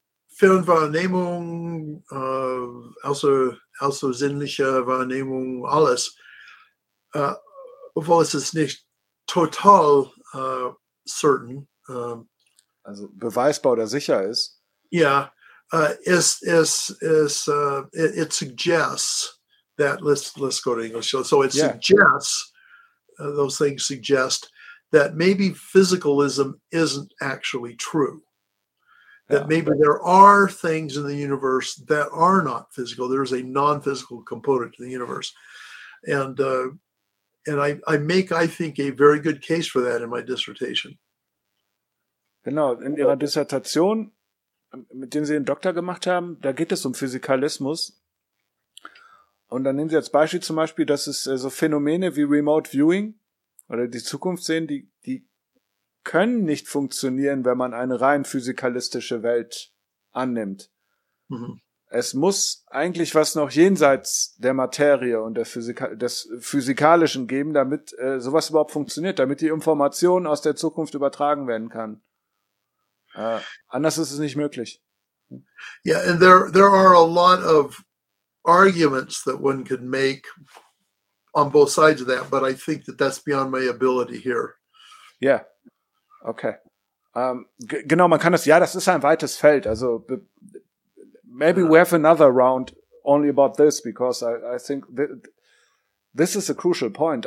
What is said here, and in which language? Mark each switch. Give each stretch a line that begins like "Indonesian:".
German: Fernwahrnehmung, also sinnliche Wahrnehmung, alles, obwohl es ist nicht total certain. Also beweisbar oder sicher ist.
English: Ja, it suggests that, let's go to English. So it suggests, those things suggest that maybe physicalism isn't actually true. That maybe there are things in the universe that are not physical. There is a non-physical component to the universe. And I think a very good case for that in my dissertation.
German: Genau, in Ihrer Dissertation, mit der Sie den Doktor gemacht haben, da geht es um Physikalismus. Und dann nehmen Sie als Beispiel zum Beispiel, dass es so Phänomene wie Remote Viewing oder die Zukunft sehen, die können nicht funktionieren, wenn man eine rein physikalistische Welt annimmt. Mhm. Es muss eigentlich was noch jenseits der Materie und der des Physikalischen geben, damit sowas überhaupt funktioniert, damit die Information aus der Zukunft übertragen werden kann. Anders ist es nicht möglich.
English: Yeah, and there are a lot of arguments that one could make on both sides of that, but I think that that's beyond my ability here. Yeah. Okay.
German: Genau, man kann das, ja, das ist ein weites Feld.
English: Also, maybe we have another round only about this, because I think this is a crucial point.